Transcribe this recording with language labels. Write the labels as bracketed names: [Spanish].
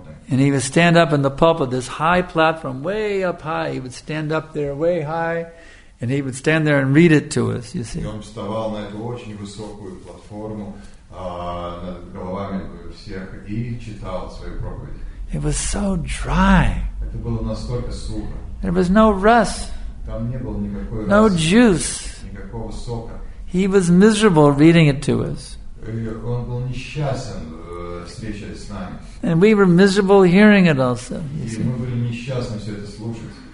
[English] And he would stand up in the pulpit, this high platform, way up high. He would stand up there way high. And he would stand there and read it to us, you see. [Russian] Он вставал на эту очень высокую платформу, над головами всех и читал свою проповедь. [English] It was so dry. [Russian] Это было настолько сухо. [English] There was no rust. [Russian] Там не было никакой [English] rust. No juice. [Russian] Никакого сока. [English] He was miserable reading it to us. [Russian] Он был несчастен встречаясь с нами. [English] And we were miserable hearing it also. You see. [Russian] И мы были несчастны все это слушать.